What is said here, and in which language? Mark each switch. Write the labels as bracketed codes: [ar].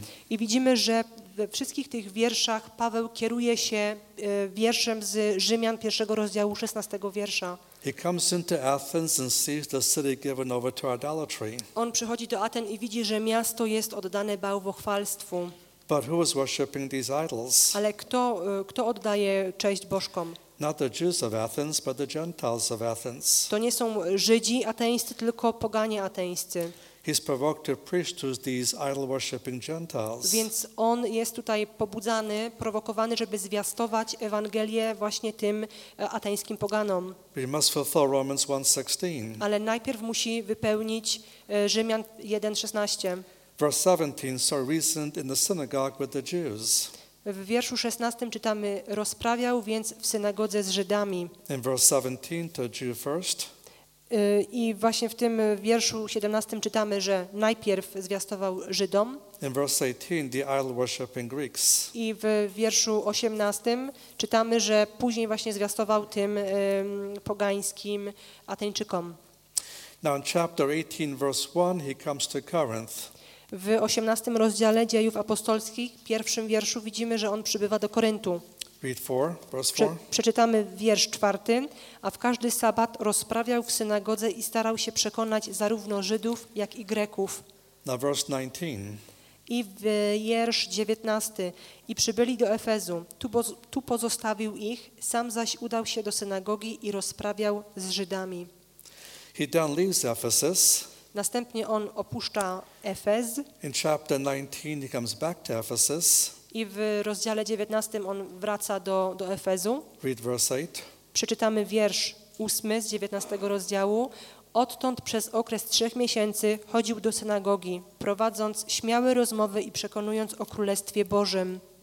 [pl] I widzimy, że we wszystkich tych wierszach Paweł kieruje się wierszem z Rzymian pierwszego rozdziału 16 wiersza. [en] He comes into Athens and sees the city given over to idolatry. [pl] On przychodzi do Aten i widzi, że miasto jest oddane bałwochwalstwu. [en] But who is worshiping these idols? [pl] Ale kto oddaje cześć bożkom? [en] Not the Jews of Athens, but the Gentiles of Athens. [pl] To nie są Żydzi ateńscy, tylko poganie ateńscy. [en] He's provoked to preach to these idol-worshipping Gentiles. [pl] Więc on jest tutaj pobudzany, prowokowany, żeby zwiastować Ewangelię właśnie tym ateńskim poganom. [en] But he must fulfill Romans 1:16. [pl] Ale najpierw musi wypełnić Rzymian 1:16. [en] Verse 17, so reasoned in the synagogue with the Jews. [pl] W wierszu 16 czytamy, rozprawiał więc w synagodze z Żydami. [en] In verse 17, to Jew first. [pl] I właśnie w tym wierszu 17 czytamy, że najpierw zwiastował Żydom. [en] In verse 18, the idol worshiping Greeks. [pl] I w wierszu 18 czytamy, że później właśnie zwiastował tym pogańskim Ateńczykom. [en] Now in chapter 18, verse 1, he comes to Corinth. [pl] W 18 rozdziale Dziejów Apostolskich, pierwszym wierszu, widzimy, że on przybywa do Koryntu. [en] Read four, verse four. [pl] Przeczytamy wiersz czwarty. A w każdy sabat rozprawiał w synagodze i starał się przekonać zarówno Żydów, jak i Greków. [en] Now verse 19. [pl] I wiersz 19. I przybyli do Efezu. Tu pozostawił ich, sam zaś udał się do synagogi i rozprawiał z Żydami. [en] He then leaves Ephesus. [pl] Następnie on opuszcza Efez. [en] In chapter 19 he comes back to Ephesus. [pl] I w rozdziale 19 on wraca do Efezu. [en] Read verse 8. [pl] Przeczytamy wiersz 8 z 19 rozdziału. Odtąd przez okres 3 miesięcy chodził do synagogi, prowadząc śmiałe rozmowy i przekonując o Królestwie Bożym.